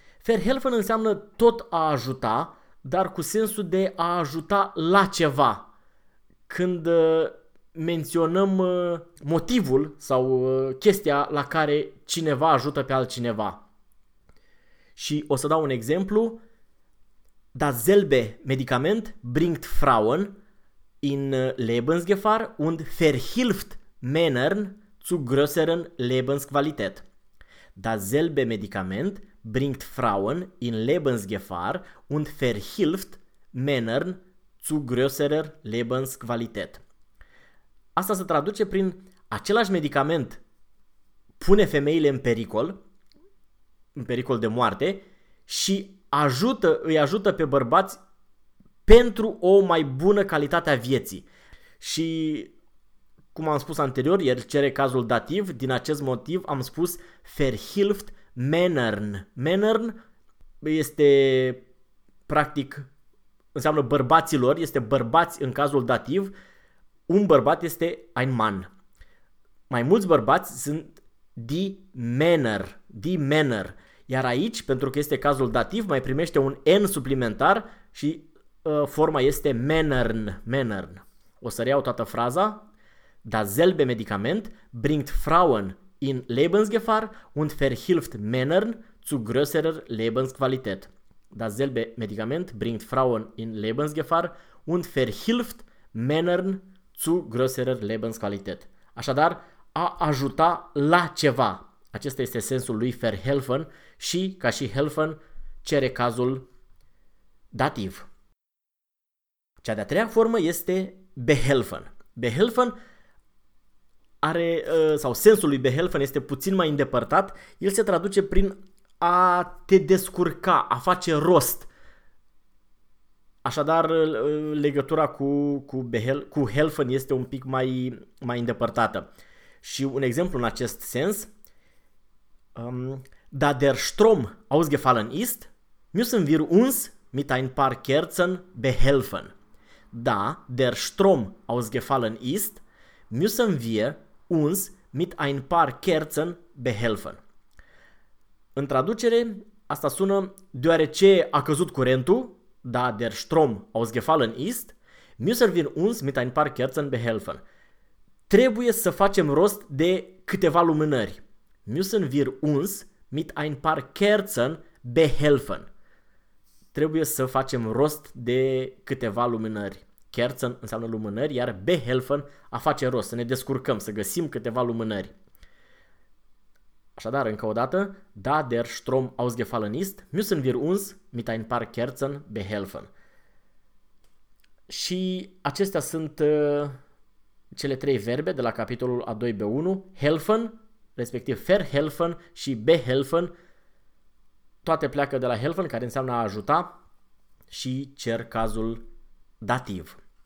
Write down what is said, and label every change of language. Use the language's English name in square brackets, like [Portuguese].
[Romanian] Verhelfen înseamnă tot a ajuta, dar cu sensul de a ajuta la ceva. Când menționăm motivul sau chestia la care cineva ajută pe altcineva. Și o să dau un exemplu. [German] Das selbe Medikament bringt Frauen in Lebensgefahr und verhilft Männern zu größeren Lebensqualität. Das selbe Medikament bringt Frauen in Lebensgefahr und verhilft Männern zu größerer Lebensqualität. [Romanian] Asta se traduce prin același medicament pune femeile în pericol, în pericol de moarte și ajută, îi ajută pe bărbați pentru o mai bună calitate a vieții. Și cum am spus anterior, el cere cazul dativ, din acest motiv am spus [German] verhilft Männern. [Romanian] Männern este practic, înseamnă bărbaților, este bărbați în cazul dativ. Un bărbat este ein Mann. Mai mulți bărbați sunt die Männer, die Männer. Iar aici, pentru că este cazul dativ, mai primește un N suplimentar și forma este Männern, Männern. O să reiau toată fraza. [German] Das selbe Medikament bringt Frauen in Lebensgefahr und verhilft Männern zu größerer Lebensqualität. Das selbe Medikament bringt Frauen in Lebensgefahr und verhilft Männern zu größerer Lebensqualität. [Romanian] Așadar, a ajuta la ceva. Acesta este sensul lui verhelfen și, ca și helfen, cere cazul dativ. Cea de-a treia formă este behelfen. Behelfen are, sau sensul lui behelfen este puțin mai îndepărtat, el se traduce prin a te descurca, a face rost. Așadar, legătura cu helfen este un pic mai îndepărtată. Și un exemplu în acest sens, [German] da der Strom ausgefallen ist, müssen wir uns mit ein paar Kerzen behelfen. Da der Strom ausgefallen ist, müssen wir uns mit ein paar Kerzen behelfen. [Romanian] În traducere, asta sună, deoarece a căzut curentul, [German] da der Strom ausgefallen ist, müssen wir uns mit ein paar Kerzen behelfen. [Romanian] Trebuie să facem rost de câteva lumânări. [German] Müssen wir uns mit ein paar Kerzen behelfen. [Romanian] Trebuie să facem rost de câteva lumânări. Kerzen înseamnă lumânări, iar behelfen a face rost, să ne descurcăm, să găsim câteva lumânări. Așadar, încă o dată, [German] da der Strom ausgefallen ist, müssen wir uns mit ein paar Kerzen behelfen. [Romanian] Și acestea sunt cele trei verbe de la capitolul a 2B1, helfen, respectiv verhelfen și behelfen. Toate pleacă de la helfen, care înseamnă a ajuta, și cer cazul dativ.